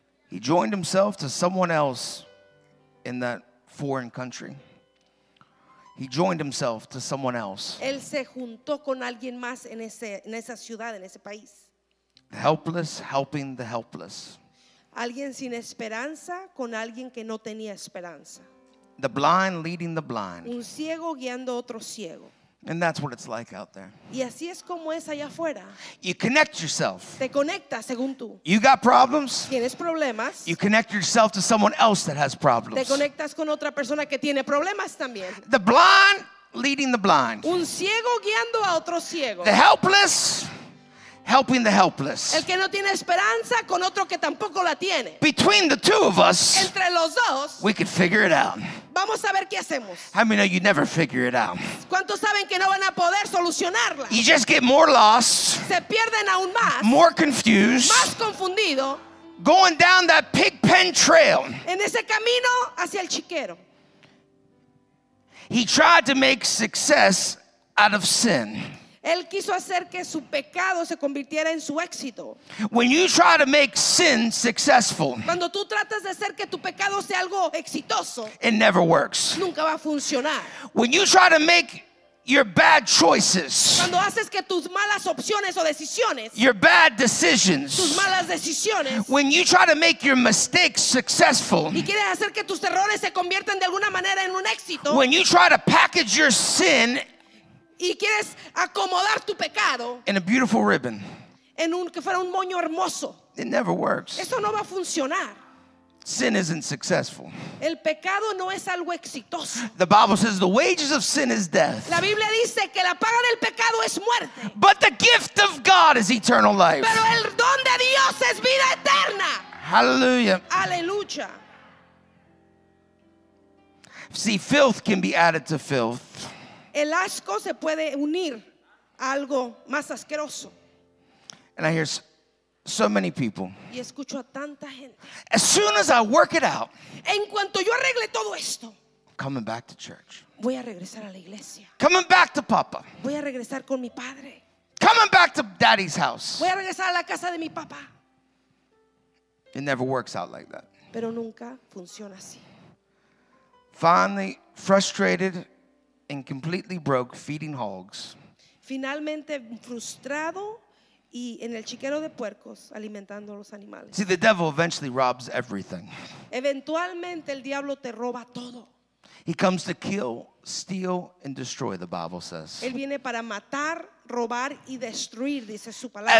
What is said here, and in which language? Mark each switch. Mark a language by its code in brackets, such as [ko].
[en] He joined himself to someone else in that foreign country. He joined himself to someone else. [es] Él se juntó con alguien más en ese en esa ciudad en ese país. [en] The helpless helping the helpless. [es] Alguien sin esperanza con alguien que no tenía esperanza. [en] The blind leading the blind. [es] Un ciego guiando otro ciego. [en] And that's what it's like out there. [es] Y así es como es allá afuera. [en] You connect yourself. [es] Te conectas según tú. [en] You got problems. [es] Tienes problemas. [en] You connect yourself to someone else that has problems. [es] Te conectas con otra persona que tiene problemas también. [en] The blind leading the blind. [es] Un ciego guiando a otro ciego. [en] The helpless helping the helpless. [es] El que no tiene esperanza con otro que tampoco la tiene. [en] Between the two of us, [es] entre los dos, [en] we could figure it out. [es] Vamos a ver qué hacemos. [en] How many know you never figure it out? [es] ¿Cuántos saben que no van a poder solucionarla? [en] You just get more lost. [es] Se pierden aún más. [en] More confused. [es] Más confundido. [en] Going down that pig pen trail. [es] En ese camino hacia el chiquero. [en] He tried to make success out of sin. [es] Él quiso hacer que su pecado se convirtiera en su éxito. [en] When you try to make sin successful, [es] cuando tú tratas de hacer que tu pecado sea algo exitoso, [en] it never works. [es] Nunca va a funcionar. [en] When you try to make your bad choices, [es] cuando haces que tus malas opciones o decisiones, [en] your bad decisions, [es] tus malas decisiones, [en] when you try to make your mistakes successful, [es] y quieres hacer que tus errores se conviertan de alguna manera en un éxito, [en] when you try to package your sin [es] y quieres acomodar tu pecado [en] in a beautiful ribbon, [es] en un que fuera un moño hermoso, [en] it never works. [es] Eso no va a funcionar. [en] Sin isn't successful. [es] El pecado no es algo exitoso. [en] The Bible says the wages of sin is death. [es] La Biblia dice que la paga del pecado es muerte. [en] But the gift of God is eternal life. [es] Pero el don de Dios es vida eterna. [en] Hallelujah. [es] Aleluya. [en] See, filth can be added to filth. [es] El asco se puede unir a algo más asqueroso. [en] And I hear so many people. [es] Y escucho a tanta gente. [en] As soon as I work it out, [es] en cuanto yo arregle todo esto, [en] coming back to church. [es] Voy a regresar a la iglesia. [en] Coming back to Papa. [es] Voy a regresar con mi padre. [en] Coming back to Daddy's house. [es] Voy a regresar a la casa de mi papá. [en] It never works out like that. [es] Pero nunca funciona así. [en] Finally, frustrated and completely broke feeding hogs. [es] Finalmente frustrado y en el chiquero de puercos alimentando los animales. [en] See, the devil eventually robs everything. [es] Eventualmente el diablo te roba todo. [en] He comes to kill, steal and destroy, the Bible says. [es] Él viene para matar, robar y destruir, dice su palabra.